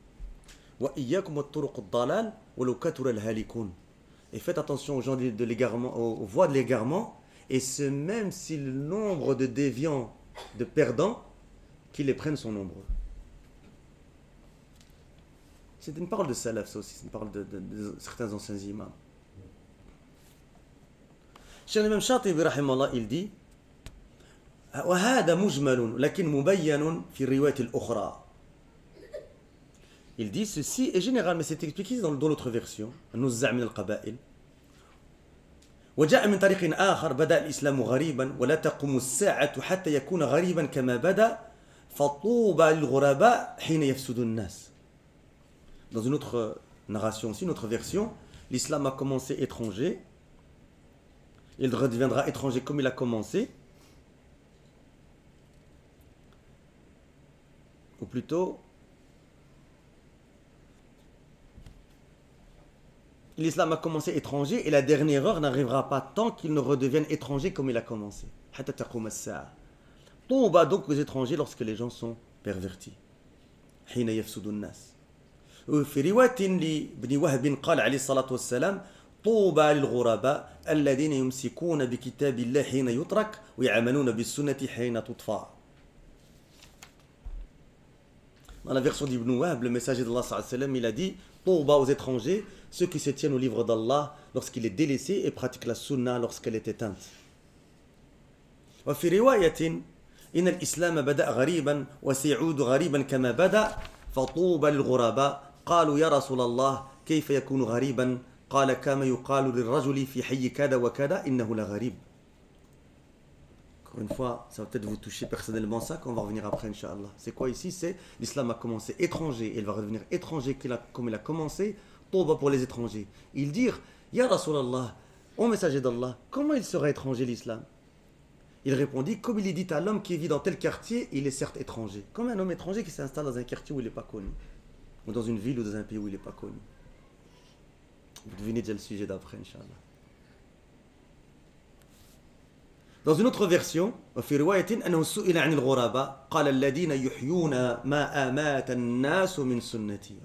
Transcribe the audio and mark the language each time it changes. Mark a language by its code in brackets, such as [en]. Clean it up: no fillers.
[ar] « Wa iyyakum at-turuq ad-dalal walaw kathura al-halikun [fr] » Et faites attention aux gens de l'égarement, aux voies de l'égarement, et ce même si le nombre de déviants, de perdants, qui les prennent sont nombreux. C'est une parole de salaf, ça aussi, c'est une parole de certains anciens imams. Cheikh l'imam Shatibi, rahimallah, il dit [ar] « وَهَذَا مُجْمَلٌ لَكِنْ مُبَيَّنٌ فِي الرِّوَيَةِ الْأُخْرَى » [fr] Il dit ceci, et général, mais c'est expliqué dans l'autre version, [ar] « نُزَّعْ مِنَ الْقَبَائِلِ » وجاء من طريق آخر بدأ الإسلام غريبا ولا تقوم الساعة حتى يكون غريبا كما بدأ فطوبى للغرباء حين يفسد الناس. [fr] Dans une autre narration aussi, une autre version, l'islam a commencé étranger. Il redeviendra étranger comme il a commencé. Ou plutôt, l'islam a commencé étranger et la dernière heure n'arrivera pas tant qu'il ne redevienne étranger comme il a commencé. [ar] Hatta taqum as-sa'a. [fr] Touba donc aux étrangers lorsque les gens sont pervertis. [ar] Hina yafsudu an-nas. وفي رواية لابن وهب قال عليه الصلاة والسلام طوبى للغرباء الذين يمسكون بكتاب الله حين يترك ويعملون بالسنة حين تطفى. [fr] Dans la version d'Ibn Wahb, le messager d'Allah sallallahu alayhi wa sallam, il a dit طوبى aux étrangers, ceux qui se tiennent au livre d'Allah lorsqu'il est délaissé et pratiquent la sunna lorsqu'elle est éteinte. [ar] وفي رواية إن الإسلام بدأ غريبا وسيعود غريبا كما بدأ فطوبى للغرباء قالوا يا رسول الله كيف يكون غريبا قال كما يقال للرجل في حي كذا وكذا إنه لغريب. [fr] Encore une fois, ça va peut-être vous toucher personnellement ça, qu'on va revenir après, inshallah. C'est quoi ici? C'est l'islam a commencé étranger, et il va redevenir étranger comme il a commencé, tauba pour les étrangers. Ils dirent, ya Rasulallah, ô messager d'Allah, comment il sera étranger l'islam? Il répondit, comme il est dit à l'homme qui vit dans tel quartier, il est certes étranger. Comme un homme étranger qui s'installe dans un quartier où il n'est pas connu. Ou dans une ville ou dans un pays où il n'est pas connu. Vous devinez déjà le sujet d'après, inshallah. Dans une autre version, [ar] وفي رواية أنه سئل عن الغرباء قال الذين يحيون ما أمات الناس من سنتي.